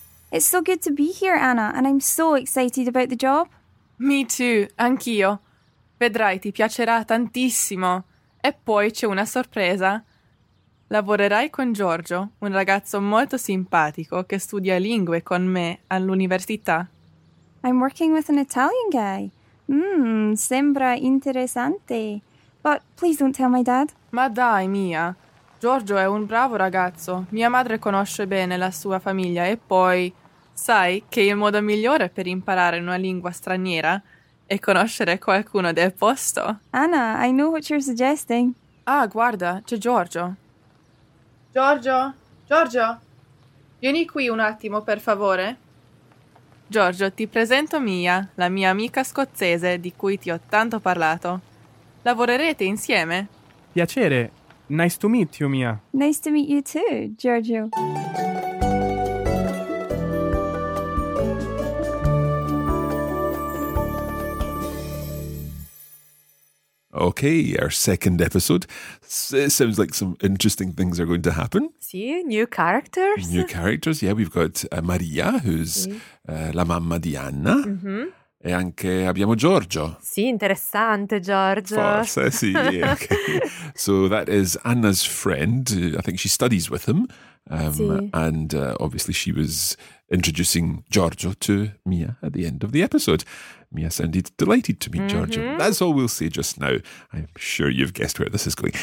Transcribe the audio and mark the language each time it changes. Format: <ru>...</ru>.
<en>It's so good to be here, Anna, and I'm so excited about the job. Me too,</en> <it>anch'io. Vedrai, ti piacerà tantissimo. E poi c'è una sorpresa. Lavorerai con Giorgio, un ragazzo molto simpatico che studia lingue con me all'università.</it> <en>I'm working with an Italian guy.</en> <it>Sembra interessante.</it> <en>But please don't tell my dad.</en> <it>Ma dai, Mia. Giorgio è un bravo ragazzo. Mia madre conosce bene la sua famiglia e poi... Sai che il modo migliore per imparare una lingua straniera è conoscere qualcuno del posto.</it> <en>Anna, I know what you're suggesting.</en> <it>Ah, guarda, c'è Giorgio. Giorgio? Giorgio? Vieni qui un attimo, per favore. Giorgio, ti presento Mia, la mia amica scozzese di cui ti ho tanto parlato. Lavorerete insieme? Piacere.</it> <en>Nice to meet you, Mia. Nice to meet you too, Giorgio. Okay, our second episode. It sounds like some interesting things are going to happen. Sì, new characters. New characters, yeah. We've got Maria, who's</en> <it>la mamma di Anna. E anche abbiamo Giorgio. Sì, interessante, Giorgio. Forse, sì.</it> <en>Yeah, okay. So that is Anna's friend. I think she studies with him. And obviously she was introducing Giorgio to Mia at the end of the episode. Mia sounded delighted to meet Giorgio. That's all we'll say just now. I'm sure you've guessed where this is going.</en>